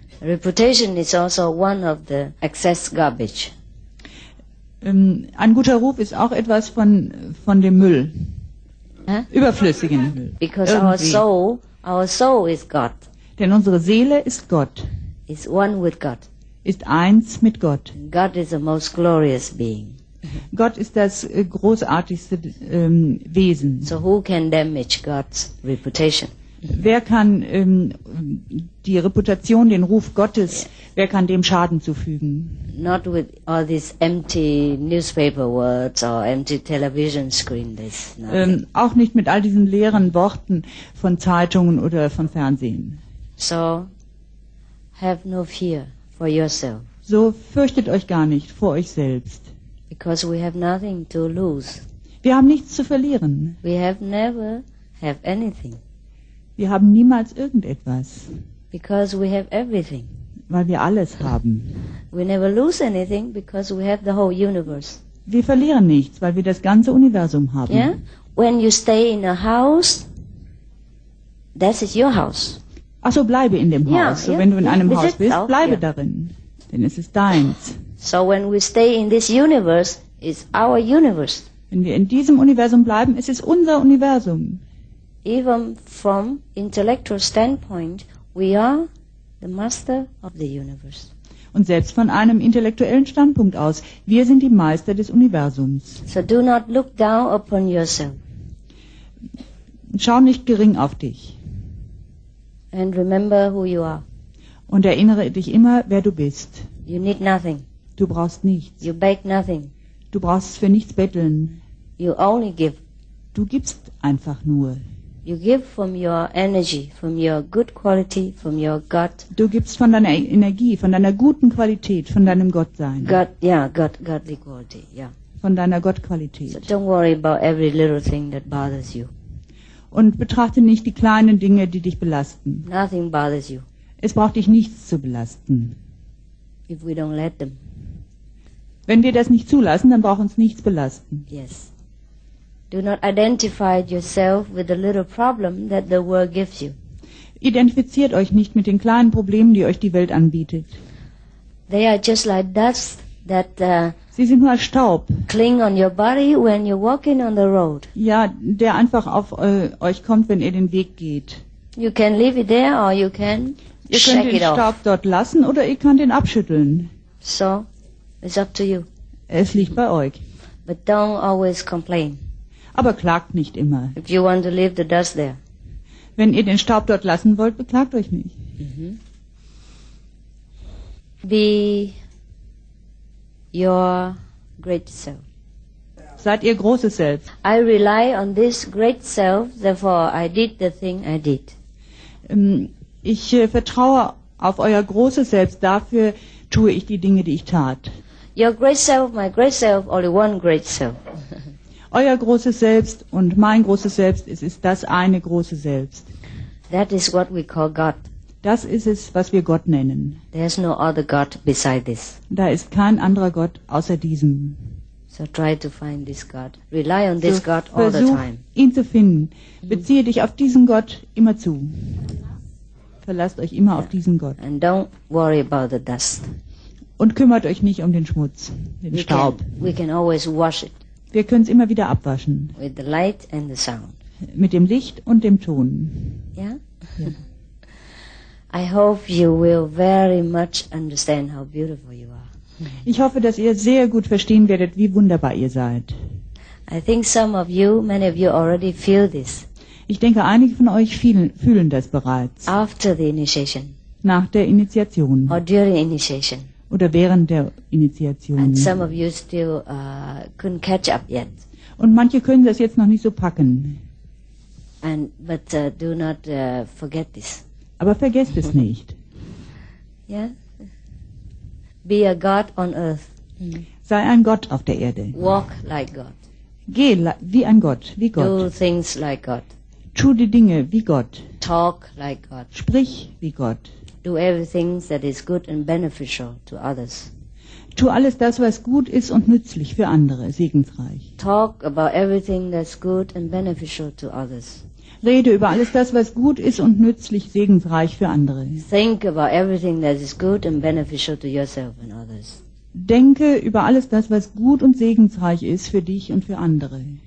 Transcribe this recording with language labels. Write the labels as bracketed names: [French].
[English] Reputation is also one of the excess garbage. [German] Ein guter Ruf ist auch etwas von dem Müll. Huh? Überflüssigen. [English] Because our soul is God. [German] Denn unsere Seele ist Gott. [English] Is one with God. [German] Ist eins mit Gott. [English] God is the most glorious being. [German] Gott ist das großartigste Wesen. [English] So who can damage God's reputation? [German] Wer kann die Reputation, den Ruf Gottes, wer kann dem Schaden zufügen? [English] Not with all these empty newspaper words or empty television screen. This [German] auch nicht mit all diesen leeren Worten von Zeitungen oder von Fernsehen. [English] So, have no fear for yourself. [German] So fürchtet euch gar nicht vor euch selbst. [English] Because we have nothing to lose. [German] Wir haben nichts zu verlieren. [English] We have never have anything. [German] Wir haben niemals irgendetwas. [English] Because we have everything. [German] Weil wir alles haben. [English] We never lose anything because we have the whole universe. [German] Wir verlieren nichts, weil wir das ganze Universum haben. [English] Yeah? When you stay in a house, that is your house. [German] Ach so, bleibe in dem Haus. [English] Yeah, [German] so, wenn du in einem Haus bist, bleibe darin, denn es ist deins. [English] So when we stay in this universe, it's our universe. [German] Wenn wir in diesem Universum bleiben, es ist unser Universum. [English] Even from intellectual standpoint, we are the master of the universe. [German] Und selbst von einem intellektuellen Standpunkt aus, wir sind die Meister des Universums. [English] So do not look down upon yourself. [German] Schau nicht gering auf dich. [English] And remember who you are. [German] Und erinnere dich immer, wer du bist. [English] You need nothing. [German] Du brauchst nichts. [English] You beg nothing. [German] Du brauchst für nichts betteln. [English] You only give. [German] Du gibst einfach nur. [English] You give from your energy, from your good quality, from your God. [German] Du gibst von deiner Energie, von deiner guten Qualität, von deinem Gottsein. [English] God, yeah, God, godly quality, yeah. [German] Von deiner Gottqualität. [English] So don't worry about every little thing that bothers you. [German] Und betrachte nicht die kleinen Dinge, die dich belasten. [English] Nothing bothers you. [German] Es braucht dich nichts zu belasten. [English] If we don't let them. [German] Wenn wir das nicht zulassen, dann braucht uns nichts belasten. [English] Yes. Do not identify yourself with the little problem that the world gives you. [German] Identifiziert euch nicht mit den kleinen Problemen, die euch die Welt anbietet. [English] They are just like dust that [German] sie sind nur Staub. [English] Cling on your body when you're walking on the road. [German] Ja, der einfach auf euch kommt, wenn ihr den Weg geht. [English] You can leave it there or you can shake it off. [German] Ihr könnt den Staub dort lassen oder ihr könnt ihn abschütteln. [English] So, it's up to you. [German] Es liegt bei euch. [English] But don't always complain. [German] Aber klagt nicht immer. [English] If you want to leave the dust there. [German] Wenn ihr den Staub dort lassen wollt, beklagt euch nicht. [English] Mm-hmm. Be your great self. [German] Seid ihr großes Selbst. [English] I rely on this great self, therefore I did the thing I did. [German] Ich vertraue auf euer großes Selbst, dafür tue ich die Dinge, die ich tat. [English] Your great self, my great self, only one great self. [German] Euer großes Selbst und mein großes Selbst, es ist das eine große Selbst. [English] That is what we call God. [German] Das ist es, was wir Gott nennen. [English] There is no other God beside this. [German] Da ist kein anderer Gott außer diesem. [English] So try to find this God. Rely on this God all the time. [German] Versuch, ihn zu finden. Beziehe dich auf diesen Gott immer zu. Verlasst euch immer auf diesen Gott. [English] And don't worry about the dust. [German] Und kümmert euch nicht um den Schmutz, den Staub. [English] We can always wash it. [German] Wir können es immer wieder abwaschen. [English] With the light and the sound. [German] Mit dem Licht und dem Ton. [English] Yeah? Ja? I hope you will very much understand how beautiful you are. [German] Ich hoffe, dass ihr sehr gut verstehen werdet, wie wunderbar ihr seid. [English] I think some of you, many of you already feel this. [German] Ich denke, einige von euch fühlen das bereits. [English] After the initiation. [German] Nach der Initiation. [English] Or during initiation. [German] Oder während der Initiation. [English] And some of you still couldn't catch up yet. [German] Und manche können das jetzt noch nicht so packen. [English] And but do not forget this. [German] Aber vergesst es nicht. [English] Yeah. Be a God on earth. [German] Sei ein Gott auf der Erde. [English] Walk like God. [German] Geh wie ein Gott, wie Gott. [English] Do things like God. [German] Tu die Dinge wie Gott. [English] Talk like God. [German] Sprich wie Gott. [English] Do everything that is good and beneficial to others. [German] Tu alles das, was gut ist und nützlich für andere, segensreich. [English] Talk about everything that's good and beneficial to others. [German] Rede über alles das, was gut ist und nützlich, segensreich für andere. [English] Think about everything that is good and beneficial to yourself and others. [German] Denke über alles das, was gut und segensreich ist für dich und für andere.